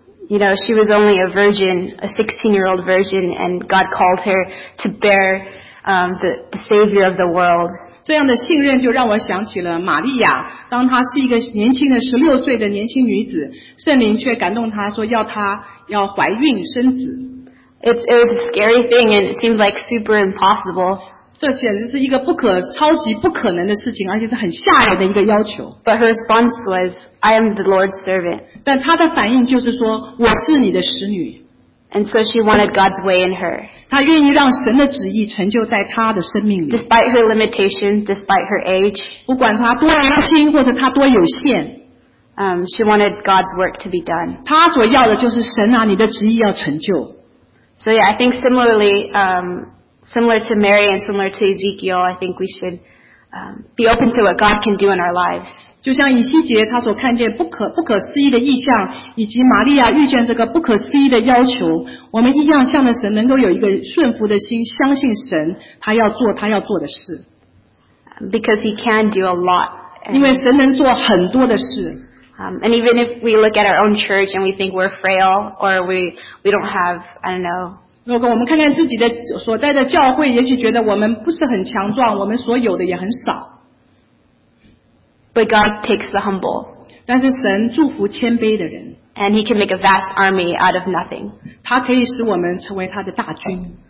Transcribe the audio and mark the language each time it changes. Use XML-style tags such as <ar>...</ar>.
<en>You know, she was only a virgin, a 16-year-old virgin, and God called her to bear the Savior of the world.</en> <zh>这样的信任就让我想起了玛利亚，当她是一个年轻的16岁的年轻女子，圣灵却感动她说要她要怀孕生子。</zh> <en>It was a scary thing, and it seems like super impossible.</en> <zh>这简直是一个超级不可能的事情，而且是很吓人的一个要求。</zh> <en>But her response was, "I am the Lord's servant."</en> <zh>但她的反应就是说，我是你的使女。</zh> <en>And so she wanted God's way in her.</en> <zh>她愿意让神的旨意成就在她的生命里。</zh> <en>Despite her limitation, despite her age,</en> <zh>不管她多年轻或者她多有限。</zh> <en>She wanted God's work to be done.</en> <zh>她所要的就是神啊，你的旨意要成就。</zh> <en>So yeah, I think similarly, similar to Mary and similar to Ezekiel, I think we should be open to what God can do in our lives.</en> <zh>就像以西结他所看见不可思议的意象，以及玛利亚遇见这个不可思议的要求，我们一样向着神，能够有一个顺服的心，相信神他要做他要做的事。</zh> <en>Because He can do a lot.</en> <zh>因为神能做很多的事。</zh> <en>And even if we look at our own church and we think we're frail or we don't have, I don't know.</en> <zh>如果我们看看自己的所在的教会，也许觉得我们不是很强壮，我们所有的也很少。</zh> <en>But God takes the humble.</en> <zh>但是神祝福谦卑的人。</zh> <en>And He can make a vast army out of nothing.</en> <zh>他可以使我们成为他的大军。</zh>